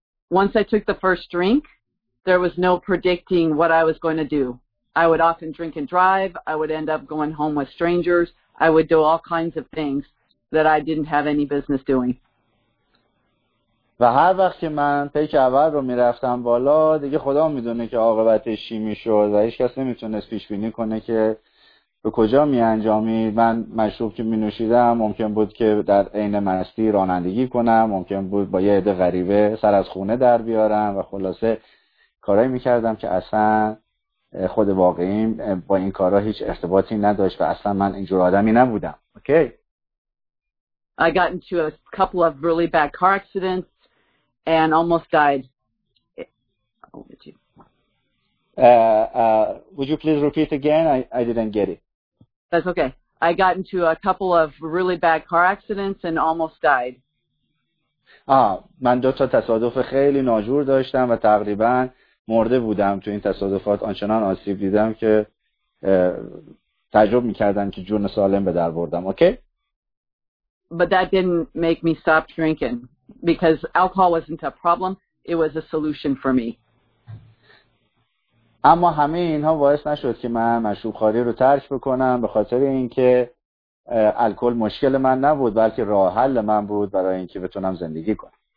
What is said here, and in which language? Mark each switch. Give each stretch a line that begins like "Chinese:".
English: Once I took the first drink, there was no predicting what I was going to do. I would often drink and drive. I would end up going home with strangers. I would do all kinds of things that I didn't have any business doing.
Persian: و هر وقت که من پیک اول رو میرفتم بالا دیگه خدا میدونه که عاقبتش چی میشد و هیچ کس نمیتونست پیش بینی کنه که به کجا میانجامید. من مشروب که مینوشیدم ممکن بود که در عین مستی رانندگی کنم، ممکن بود با یه عده غریبه سر از خونه در بیارم و خلاصه کارهایی میکردم که اصلا خود واقعیم با این کارا هیچ ارتباطی نداشت و اصلا من اینجور آدمی نبودم.
English: Okay. I got into a couple of really bad car accidents and almost died. Would you please repeat again? I didn't get it. That's okay. I got into a couple of really bad car accidents and almost died.
Persian: من دو تا تصادف خیلی ناجور داشتم و تقریبا مرده بودم. تو این تصادفات آنچنان آسیب دیدم که تجربه می‌کردم که جون سالم به در بردم.
English: Okay. But that didn't make me stop drinking because alcohol wasn't a problem, it was a solution for me.
Persian: اما همه اینها باعث نشد که من مشروب خوری رو ترک بکنم، به خاطر اینکه الکل مشکل من نبود بلکه راه حل من بود برای اینکه بتونم زندگی کنم.